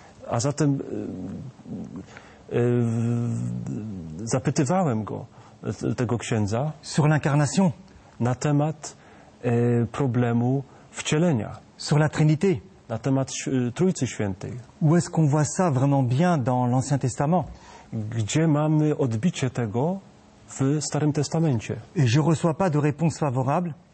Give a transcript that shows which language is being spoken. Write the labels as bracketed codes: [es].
[pl] A zatem zapytywałem go, tego księdza, [fr] sur l'incarnation, [pl] na temat problemu wcielenia, [fr] sur la Trinité, [pl] na temat Trójcy Świętej. [fr] Où est-ce qu'on voit ça vraiment bien dans l'Ancien Testament? [pl] Gdzie mamy odbicie tego w Starym Testamencie? [fr] Et je reçois pas de réponse favorable.